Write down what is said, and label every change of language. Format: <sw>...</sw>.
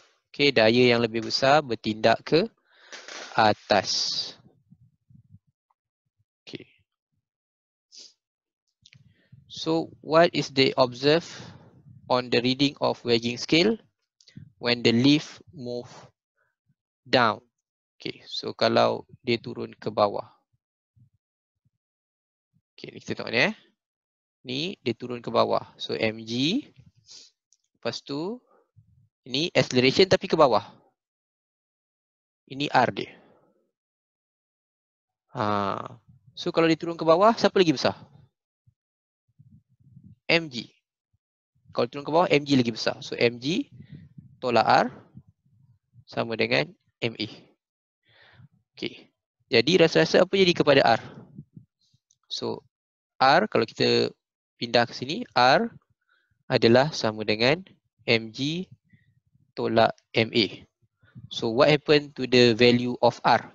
<ms>Okay, daya yang lebih besar bertindak ke atas.</ms> <en>So, what is the observed on the reading of wagging scale when the leaf move</en> <ms>down. Okay, so kalau dia turun ke bawah. Okay, ni kita tengok ni eh. Ni dia turun ke bawah. So mg. Lepas tu, ini acceleration tapi ke bawah. Ini r dia. Ha. So kalau dia turun ke bawah, siapa lagi besar? Mg. Kalau turun ke bawah, mg lagi besar. So mg tolak r sama dengan ma. Okay. Jadi rasa-rasa apa jadi kepada r? So r kalau kita pindah ke sini, r adalah sama dengan mg tolak ma.</ms> <en>So what happened to the value of r?</en>